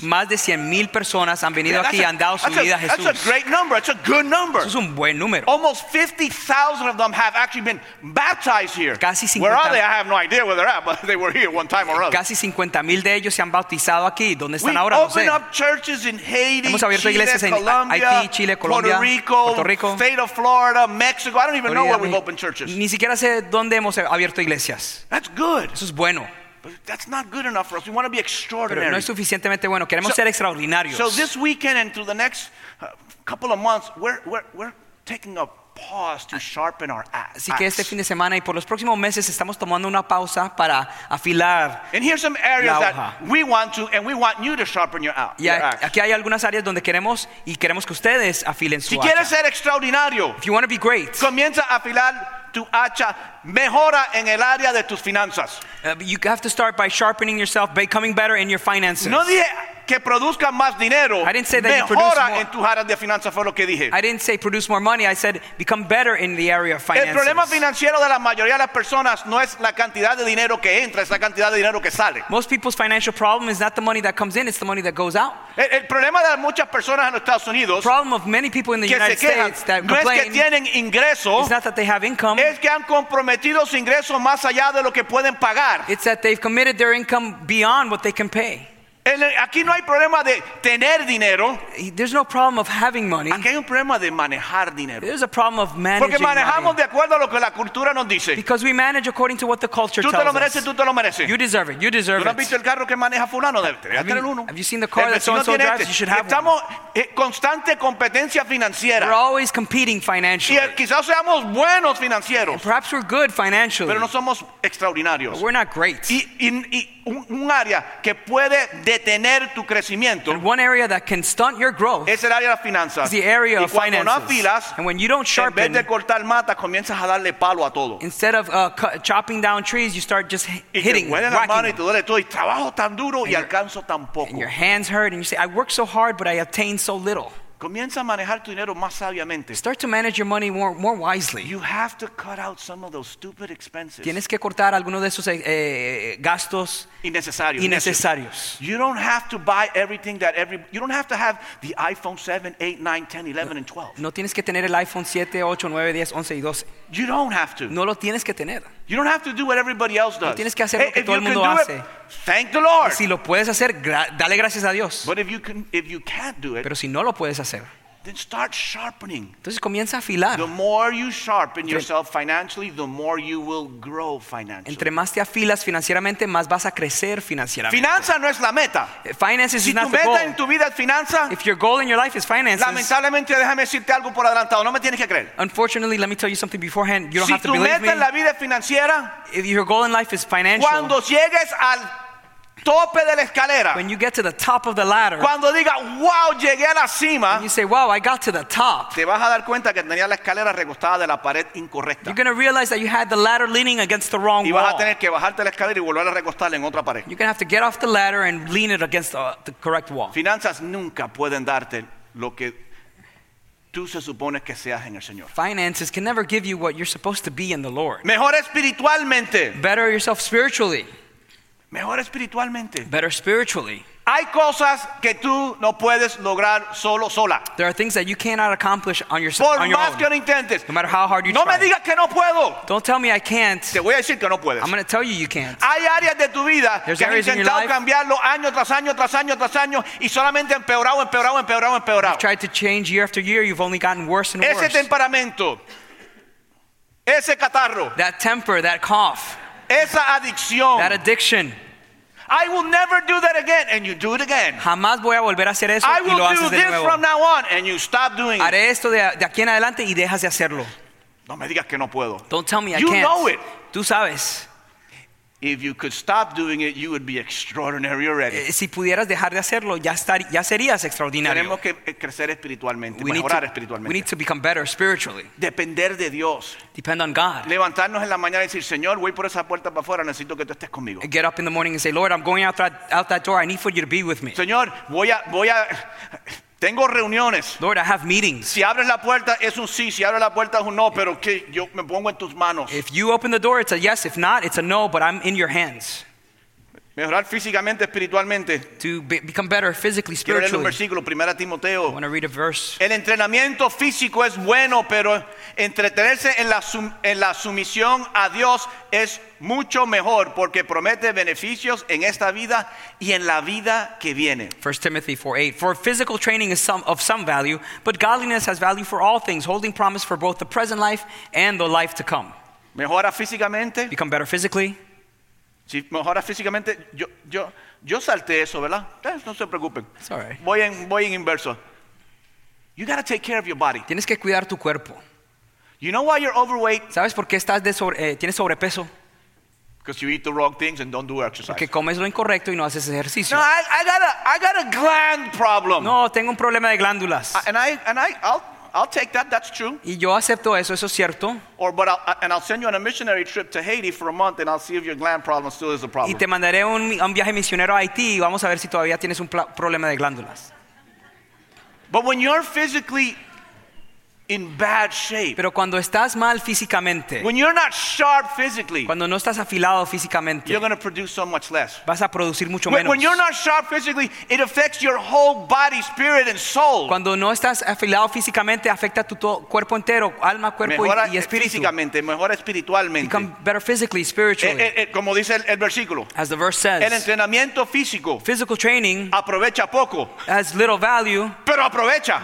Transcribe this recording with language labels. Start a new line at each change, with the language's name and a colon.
Spanish: Más de 100,000 personas han venido aquí y han dado su vida a Jesús.
English: That's a great number. That's a good number.
Spanish: Eso es un buen número.
English: Almost 50,000 of them have actually been baptized here.
Spanish: Casi 50,
English: where are they? I have no idea where they're at, but they were here one time or other.
Spanish: Casi 50,000 de ellos se han bautizado aquí. ¿Dónde están ahora?
English: We open up churches in Haiti,
Spanish: hemos abierto iglesias en Haití, Chile, Colombia, Puerto Rico,
English: state of Florida, Mexico. I don't even know where we've opened churches.
Spanish: Ni siquiera sé dónde hemos abierto iglesias.
English: That's good.
Spanish: Eso es bueno.
English: That's not good enough for us. We want to be extraordinary.
Spanish: Pero no es suficientemente bueno. Queremos ser extraordinarios.
English: So this weekend and through the next couple of months, we're taking a pause to sharpen our axe.
Spanish: Así que este fin de semana y por los próximos meses estamos tomando una pausa para afilar.
English: And here's some areas that we want to and we want you to sharpen your axe.
Spanish: Yeah, aquí hay algunas áreas donde queremos y queremos que ustedes afilen su hacha. Si quieres ser extraordinario,
English: if you want to be great,
Spanish: comienza a afilar tu hacha, mejora en el área de tus finanzas.
English: You have to start by sharpening yourself, becoming better in your finances.
Spanish: No dije que produzca más dinero.
English: I didn't say that you produce more.
Spanish: En tu área de finanzas fue lo que dije.
English: I didn't say produce more money. I said become better in the area of finances.
Spanish: El problema financiero de la mayoría de las personas no es la cantidad de dinero que entra, es la cantidad de dinero que sale.
English: Most people's financial problem is not the money that comes in, it's the money that goes out.
Spanish: El problema de muchas personas en Estados Unidos,
English: the problem of many people in the United States that
Spanish: no
English: complain,
Spanish: es que tienen ingreso,
English: it's not that they have income,
Spanish: es que han comprometido su ingreso más allá de lo que pueden pagar.
English: It's that they've committed their income beyond what they can pay.
Spanish: Aquí no hay problema de tener dinero.
English: There's no problem of having money.
Spanish: Aquí hay un problema de manejar dinero.
English: There's a problem of managing
Spanish: porque manejamos
English: money.
Spanish: De acuerdo a lo que la cultura nos dice.
English: Because we manage according to what the culture tells us.
Spanish: Tú te lo mereces, tú te lo mereces.
English: You deserve it, you deserve
Spanish: it. ¿Has visto el carro que maneja fulano?
English: Have you seen the car that so-and-so drives? You should have
Spanish: estamos
English: one.
Spanish: Estamos constante competencia financiera.
English: We're always competing financially.
Spanish: Y quizás seamos buenos financieros.
English: And perhaps we're good financially.
Spanish: Pero no somos extraordinarios.
English: But we're not great.
Spanish: Un área que puede detener tu crecimiento.
English: And one area that can stunt your growth.
Spanish: Es el área de las finanzas.
English: Is the area of finances.
Spanish: Y cuando no afilas,
English: and when you don't sharpen,
Spanish: en vez de cortar mata, comienzas a darle palo a todo.
English: Instead of chopping down trees, you start just hitting,
Spanish: y te duele
English: them,
Spanish: la mano y te duele todo. Y trabajo tan duro y alcanzo tan poco.
English: And your hands hurt and you say, I work so hard but I obtain so little.
Spanish: Comienza a manejar tu dinero más sabiamente.
English: Start to manage your money more wisely. You have to cut out some of those stupid expenses.
Spanish: Tienes que cortar algunos de esos gastos innecesarios.
English: You don't have to buy everything that you don't have to have the iPhone 7, 8, 9, 10, 11 and 12.
Spanish: No tienes que tener el iPhone 7, 8, 9, 10, 11 y 12.
English: You don't have to.
Spanish: No lo tienes que tener.
English: You don't have to do what everybody else does.
Spanish: No tienes que hacer lo que todo el mundo hace.
English: Thank the Lord.
Spanish: Si lo puedes hacer, dale gracias a Dios.
English: But if you can't do it.
Spanish: Pero si no lo puedes hacer.
English: Then start sharpening.
Spanish: Entonces comienza a afilar.
English: The more you sharpen yourself financially, the more you will grow financially.
Spanish: Entre más te afilas financieramente, más vas a crecer financieramente. Finanza no es la meta.
English: Finances
Spanish: si
English: is not the goal.
Spanish: Si tu meta en tu vida es finanza,
English: if your goal in your life is finances,
Spanish: lamentablemente déjame decirte algo por adelantado, no me tienes que creer.
English: Unfortunately, let me tell you something beforehand. You don't
Spanish: si
English: have to believe me.
Spanish: Si tu meta en la vida es financiera,
English: if your goal in life is financial,
Spanish: cuando llegues al tope de la escalera,
English: when you get to the top of the ladder,
Spanish: cuando diga wow llegué a la cima,
English: you say wow I got to the top,
Spanish: te vas a dar cuenta que tenía la escalera recostada de la pared incorrecta.
English: You're going to realize that you had the ladder leaning against the wrong
Spanish: y vas
English: wall.
Spanish: A tener que bajarte la escalera y volver a recostarla en otra pared.
English: You're going to have to get off the ladder and lean it against the correct wall.
Spanish: Finanzas nunca pueden darte lo que tú se supones que seas en el Señor.
English: Finances can never give you what you're supposed to be in the Lord.
Spanish: Mejor espiritualmente.
English: Better yourself spiritually.
Spanish: Mejor espiritualmente.
English: Better spiritually.
Spanish: Hay cosas que tú no puedes lograr solo, sola.
English: There are things that you cannot accomplish on your own.
Spanish: Por más que lo intentes.
English: No matter how hard you
Spanish: no
English: try.
Spanish: No me digas que no puedo.
English: Don't tell me I can't.
Spanish: Te voy a decir que no puedes.
English: I'm going to tell you you can't.
Spanish: Hay áreas de tu vida que has intentado cambiarlo año tras año, tras año, tras año, y solamente empeorado, empeorado, empeorado, empeorado.
English: You've tried to change year after year. You've only gotten worse and worse.
Spanish: Ese temperamento. Ese catarro.
English: That temper, that cough.
Spanish: Esa adicción.
English: That addiction. I will never do that again, and you do it again.
Spanish: Jamás voy a volver a hacer eso,
English: I will
Spanish: y lo haces
English: do this
Spanish: nuevo.
English: From now on, and you stop doing
Spanish: haré Haré esto de aquí en adelante y dejas de hacerlo. No me digas que no puedo.
English: Don't tell me you I can't. You know it.
Spanish: Tú sabes.
English: If you could stop doing it, you would be extraordinary already.
Spanish: Si pudieras dejar de hacerlo, ya serías extraordinario. Tenemos que crecer espiritualmente, we mejorar espiritualmente.
English: We need to become better spiritually.
Spanish: Depender de Dios.
English: Depend on God.
Spanish: Levantarnos en la mañana y decir, Señor, voy por esa puerta para afuera, necesito que tú estés conmigo.
English: Get up in the morning and say, Lord, I'm going out that door. I need for you to be with me.
Spanish: Señor, voy a tengo reuniones.
English: Lord, I have meetings.
Spanish: Si abres la puerta es un sí, si abres la puerta es un no, pero que yo me pongo en tus manos.
English: If you open the door, it's a yes. If not, it's a no, but I'm in your hands.
Spanish: Mejorar físicamente, espiritualmente.
English: To become better physically, spiritually.
Spanish: Quiero leer un versículo, 1 Timoteo.
English: I want to read a verse.
Spanish: El entrenamiento físico es bueno, pero entretenerse en la sumisión a Dios es mucho mejor, porque promete beneficios en esta vida y en la vida que viene.
English: 1 Timothy 4:8. For physical training is of some value, but godliness has value for all things, holding promise for both the present life and the life to come.
Spanish: Mejora físicamente.
English: Become better physically.
Spanish: Si mejora físicamente, yo salté eso, ¿verdad? No se preocupen.
English: Sorry.
Spanish: Voy en inverso.
English: You gotta take care of your body.
Spanish: Tienes que cuidar tu cuerpo.
English: You know why you're overweight?
Spanish: ¿Sabes por qué estás tienes sobrepeso?
English: Because you eat the wrong things and don't do exercise.
Spanish: Porque comes lo incorrecto y no haces ejercicio.
English: No, I got a gland problem.
Spanish: No, tengo un problema de glándulas.
English: I'll take that. That's true.
Spanish: Y yo acepto eso. Eso es cierto.
English: But I'll send you on a missionary trip to Haiti for a month, and I'll see if your gland problem still is a problem.
Spanish: Y te mandaré un viaje misionero a Haití, y vamos a ver si todavía tienes un problema de glándulas.
English: But when you're physically in bad shape,
Spanish: pero cuando estás mal físicamente,
English: when you're not sharp physically,
Spanish: cuando no estás afilado físicamente,
English: you're going to produce so much less.
Spanish: Vas a producir mucho
English: when,
Spanish: menos.
English: When you're not sharp physically, it affects your whole body, spirit, and soul.
Spanish: Cuando no estás afilado físicamente, afecta tu cuerpo entero, alma, cuerpo y espíritu. Físicamente, mejora espiritualmente.
English: Become better physically, spiritually.
Spanish: Como dice el versículo,
English: as the verse says,
Spanish: el entrenamiento físico,
English: physical training,
Spanish: aprovecha poco,
English: has little value,
Spanish: pero aprovecha,